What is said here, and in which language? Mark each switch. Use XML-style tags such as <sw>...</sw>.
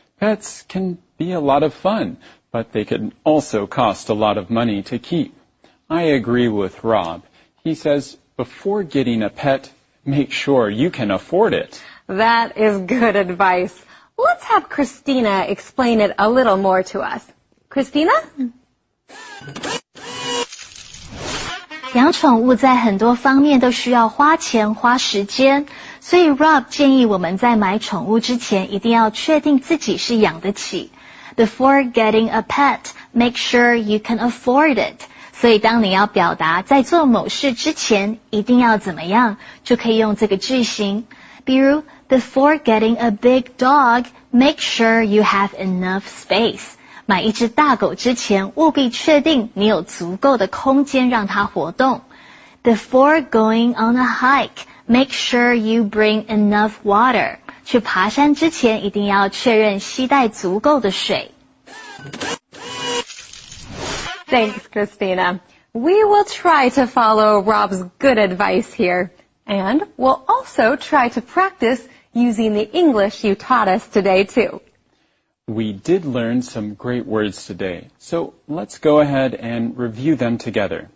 <en>Pets can be a lot of fun, but they can also cost a lot of money to keep. I agree with Rob. He says, before getting a pet, make sure you can afford it. That is good advice. Let's have Christina explain it a little more to us. Christina?</en> <zh>养宠物在很多方面都需要花钱花时间，所以 Rob 建议我们在买宠物之前一定要确定自己是养得起。</zh> <en>Before getting a pet, make sure you can afford it.</en> <zh>所以当你要表达在做某事之前一定要怎么样，就可以用这个句型。</zh> <en>比如 ,Before getting a big dog, make sure you have enough space.</en> <zh>买一只大狗之前务必确定你有足够的空间让它活动。</zh> <en>Before going on a hike, make sure you bring enough water.</en> <zh>去爬山之前一定要确认携带足够的水。</zh> <en>Thanks, Christina. We will try to follow Rob's good advice here. And we'll also try to practice using the English you taught us today, too. We did learn some great words today, so let's go ahead and review them together.</en>